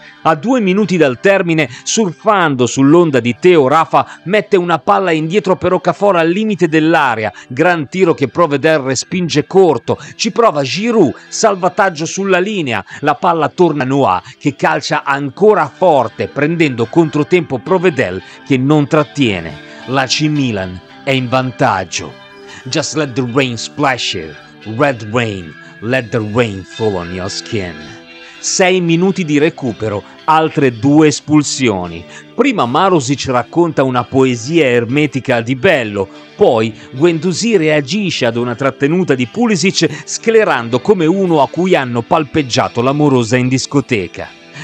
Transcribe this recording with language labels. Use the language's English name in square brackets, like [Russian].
[Italian] A 2 minuti dal termine, surfando sull'onda di Teo, Rafa mette una palla indietro per Okafor al limite dell'area. Gran tiro che Provedel respinge corto. Ci prova Giroud, salvataggio sulla linea. La palla torna a Noah, che calcia ancora forte, prendendo controtempo Provedel, che non trattiene. L'AC Milan è in vantaggio. [English] Just let the rain splash it. Red rain, let the rain fall on your skin. [Italian] 6 minuti di recupero, altre 2 espulsioni. Prima Marusic racconta una poesia ermetica di Bello, poi Guendouzi reagisce ad una trattenuta di Pulisic sclerando come uno a cui hanno palpeggiato l'amorosa in discoteca.